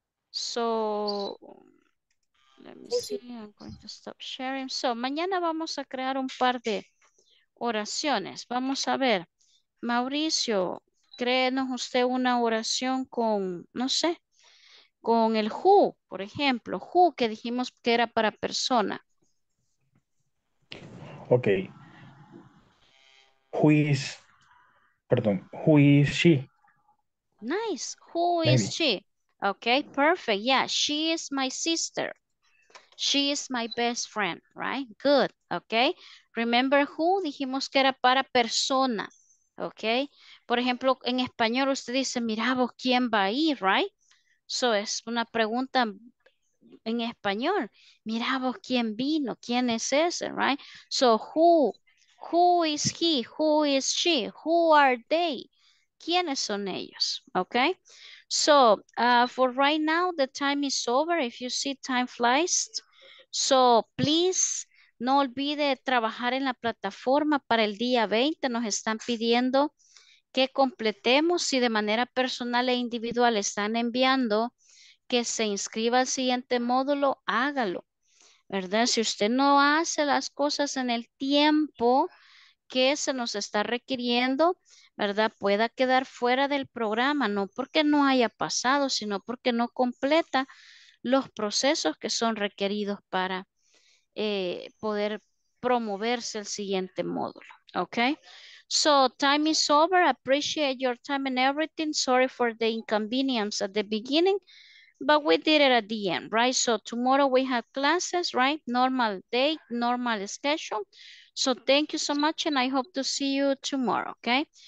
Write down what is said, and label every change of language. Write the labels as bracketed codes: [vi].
[en] So let me see, I'm going to stop sharing. [es] So mañana vamos a crear un par de oraciones. Vamos a ver, Mauricio, créenos usted una oración con, no sé, con el who, por ejemplo, who que dijimos que era para persona. [en] Ok. Who is, perdón, who is she? Nice, who Maybe. Is she? Ok, perfect, yeah, she is my sister. She is my best friend, right? Good, ok. Remember who, [es] dijimos que era para persona, [en] ok. [es] Por ejemplo, en español usted dice, mira vos, ¿quién va ahí, right? So, es una pregunta en español. Mira vos, ¿quién vino? ¿Quién es ese? [en] Right? So, who is he? Who is she? Who are they? [es] ¿Quiénes son ellos? [en] Okay? So, for right now, the time is over. If you see, time flies. [es] So, please, no olvide trabajar en la plataforma para el día 20. Nos están pidiendo que completemos, si de manera personal e individual están enviando que se inscriba al siguiente módulo, hágalo, ¿verdad? Si usted no hace las cosas en el tiempo que se nos está requiriendo, ¿verdad? Pueda quedar fuera del programa, no porque no haya pasado, sino porque no completa los procesos que son requeridos para poder promoverse el siguiente módulo, ¿ok? [en] So, time is over. Appreciate your time and everything. Sorry for the inconvenience at the beginning, but we did it at the end, right? So, tomorrow we have classes, right? Normal day, normal schedule. So, thank you so much, and I hope to see you tomorrow, okay?